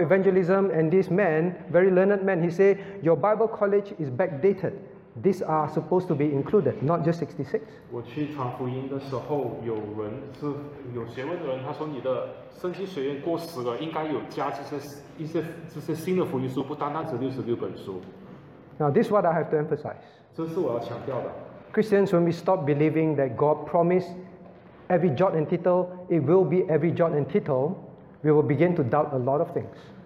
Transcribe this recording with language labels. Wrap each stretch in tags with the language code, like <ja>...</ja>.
<en>evangelism, and this man, very learned man, he said, your Bible college is backdated. These are supposed to be included, not just 66.</en> <zh>我去传福音的时候，有学问的人，他说你的圣经学院过时了，应该有加这些新的福音书，不单单只66本书.</zh> <en>Now, this is what I have to emphasize.</en> <zh>这是我要强调的.</zh> <en>Christians, when we stop believing that God promised every jot and tittle, it will be every jot and tittle, we will begin to doubt a lot of things.</en>